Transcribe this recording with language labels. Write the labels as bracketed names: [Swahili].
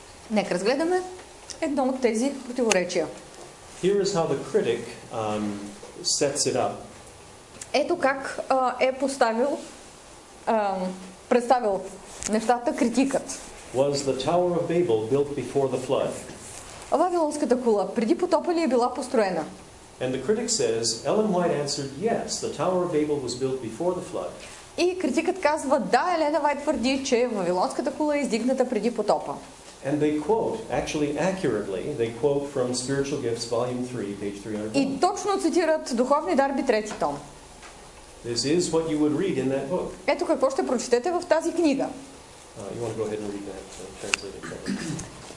[Bulgarian] Нека разгледаме едно от тези противоречия. [English] Here is how the critic sets it up. [Bulgarian] Ето как е поставил представил нещата критикът. [English] Was the Tower of Babel built before the flood? [Bulgarian] Вавилонската кула преди потопа ли е била построена? [English] And the critic says, Ellen White answered, yes, the Tower of Babel was built before the flood. [Bulgarian] И критикът казва, да, Елена Вайт твърди, че Вавилонската кула е издигната преди потопа. [English] And they quote, actually accurately, they quote from Spiritual Gifts, volume 3, page 301. [Bulgarian] И точно цитират Духовни дарби, трети том. [English] This is what you would read in that book. [Bulgarian] Ето какво ще прочетете в тази книга. [English] You want to go ahead and read that translated cover.